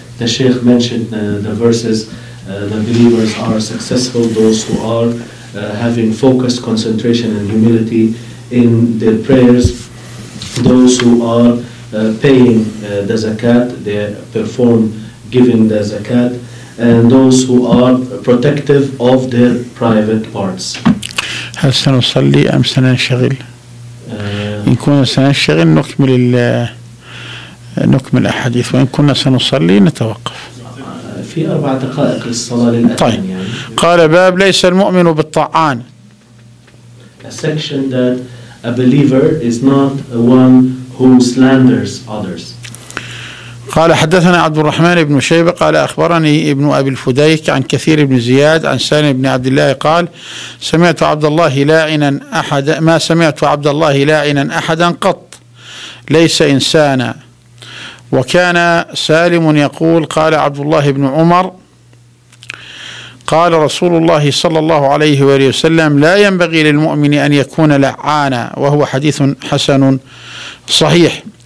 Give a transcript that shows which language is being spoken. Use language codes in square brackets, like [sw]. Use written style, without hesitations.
[en] The Sheikh mentioned the verses, the believers are successful, those who are having focused concentration and humility in their prayers, those who are paying the zakat, they perform giving the zakat, and those who are protective of their private parts. [ar] هل سنصلي أم سننشغل؟ إن كنا سننشغل نكمل نكمل الحديث، وإن كنا سنصلي نتوقف. في 4 دقائق للصلاة للأذان. طيب. يعني قال باب ليس المؤمن بالطعان. [en] A section that a believer is not one who slanders others. [ar] قال حدثنا عبد الرحمن بن شيبة قال أخبرني ابن أبي الفديك عن كثير بن زياد عن سالم بن عبد الله قال سمعت عبد الله لاعنا أحد ما سمعت عبد الله لاعنا أحدا قط ليس إنسانا. وكان سالم يقول قال عبد الله بن عمر قال رسول الله صلى الله عليه وآله وسلم لا ينبغي للمؤمن أن يكون لعانا، وهو حديث حسن صحيح.